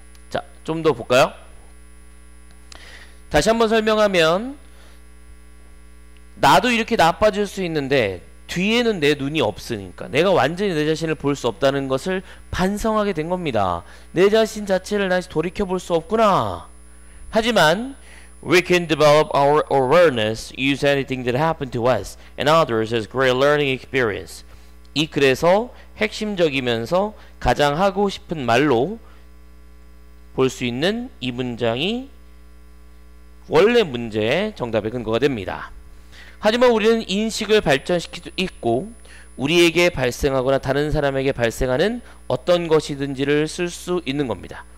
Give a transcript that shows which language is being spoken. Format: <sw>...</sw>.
<ko>자, 좀 더 볼까요? 다시 한번 설명하면 나도 이렇게 나빠질 수 있는데 뒤에는 내 눈이 없으니까 내가 완전히 내 자신을 볼 수 없다는 것을 반성하게 된 겁니다. 내 자신 자체를 다시 돌이켜볼 수 없구나. 하지만</ko> <en>We can develop our awareness, use anything that happened to us and others as great learning experience.</en> <ko>이 글에서 핵심적이면서 가장 하고 싶은 말로 볼 수 있는 이 문장이 원래 문제의 정답의 근거가 됩니다. 하지만 우리는 인식을 발전시킬 수 있고 우리에게 발생하거나 다른 사람에게 발생하는 어떤 것이든지를 쓸 수 있는 겁니다.</ko>